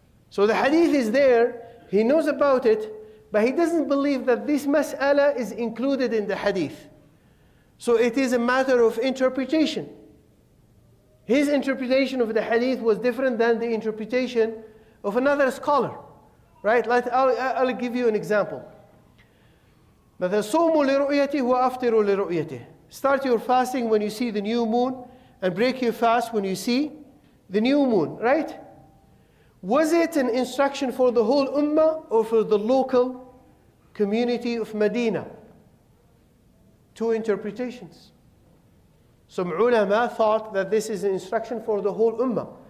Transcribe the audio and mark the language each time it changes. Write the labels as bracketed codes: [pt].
[en] So the hadith is there, he knows about it, but he doesn't believe that this mas'ala is included in the hadith. So it is a matter of interpretation. His interpretation of the hadith was different than the interpretation of another scholar. Right? I'll give you an example. [ar] صوموا لرؤيته وأفطروا لرؤيته. [en] Start your fasting when you see the new moon and break your fast when you see the new moon, right? Was it an instruction for the whole ummah or for the local community of Medina? Two interpretations. Some ulama thought that this is an instruction for the whole ummah.